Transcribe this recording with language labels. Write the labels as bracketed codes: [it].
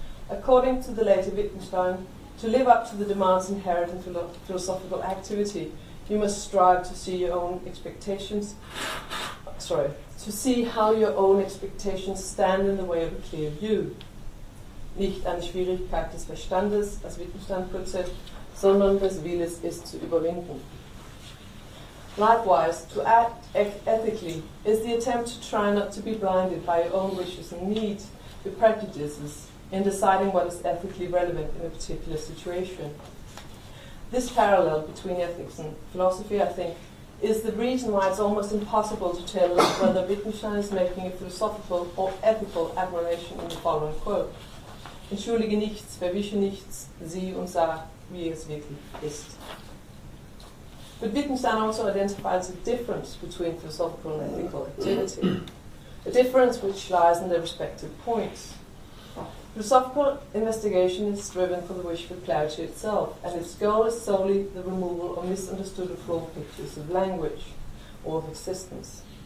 [en] According to the later Wittgenstein, to live up to the demands inherent in philosophical activity, you must strive to see your own expectations, to see how your own expectations stand in the way of a clear view. [de] Nicht eine Schwierigkeit des Verstandes, [en] as Wittgenstein puts it, [de] sondern des Willens ist zu überwinden. [en] Likewise, to act ethically is the attempt to try not to be blinded by your own wishes and needs, your prejudices, in deciding what is ethically relevant in a particular situation. This parallel between ethics and philosophy, I think, is the reason why it's almost impossible to tell whether Wittgenstein is making a philosophical or ethical admonition in the following quote. [de] Entschuldige nichts, verwische nichts, sieh und sah, wie es wirklich ist. [en] But Wittgenstein also identifies a difference between philosophical and ethical activity, a difference which lies in their respective points. Philosophical investigation is driven for the wish for clarity itself, and its goal is solely the removal of misunderstood or flawed pictures of language or of existence.